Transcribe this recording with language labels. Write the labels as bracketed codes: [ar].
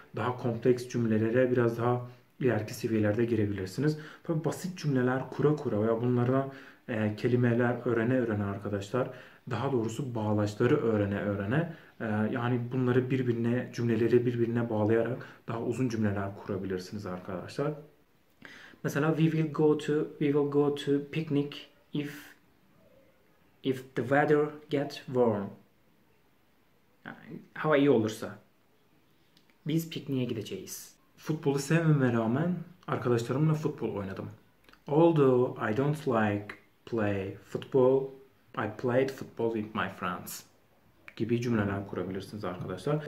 [tr] Daha kompleks cümlelere biraz daha ileriki seviyelerde girebilirsiniz. Tabii basit cümleler kura kura veya bunlara kelimeler öğrene öğrene arkadaşlar, daha doğrusu bağlaçları öğrene öğrene, yani bunları birbirine, cümleleri birbirine bağlayarak daha uzun cümleler kurabilirsiniz arkadaşlar. Mesela [en] we will go to picnic if the weather gets warm. [tr] Yani hava iyi olursa biz pikniğe gideceğiz. Futbolu sevmeme rağmen arkadaşlarımla futbol oynadım. [en] Although I don't like play football, I played football with my friends [tr] gibi cümleler kurabilirsiniz arkadaşlar.